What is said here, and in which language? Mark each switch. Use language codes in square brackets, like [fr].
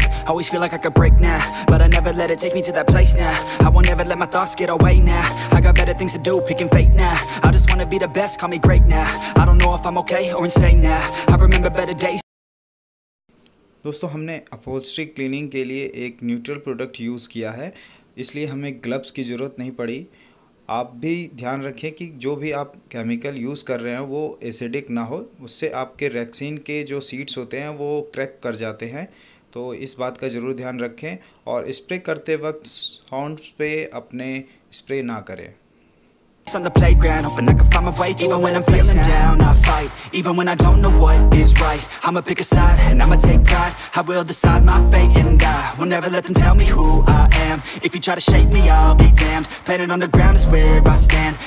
[en] Always feel like I could break now, but I never let it take me to that place now. I won't ever let my thoughts get away now. I got better things to do, picking fate now. I just wanna be the best, call me great now. I don't know if I'm okay or insane now. I remember better days. [hi] दोस्तों, हमने upholstery cleaning के लिए एक neutral product use किया है, इसलिए हमें gloves की ज़रूरत नहीं पड़ी। आप भी ध्यान रखें कि जो भी आप केमिकल यूज़ कर रहे हैं वो एसिडिक ना हो, उससे आपके रैक्सीन के जो सीड्स होते हैं वो क्रैक कर जाते हैं, तो इस बात का ज़रूर ध्यान रखें। और स्प्रे करते वक्त हैंड पे अपने स्प्रे ना करें। [en] On the playground, hoping I can find my way. Even when I'm feeling down, I fight. Even when I don't know what is right, I'ma pick a side and I'ma take pride. I will decide my fate and I will never let them tell me who I am. If you try to shape me, I'll be damned. Planet on the ground is where I stand.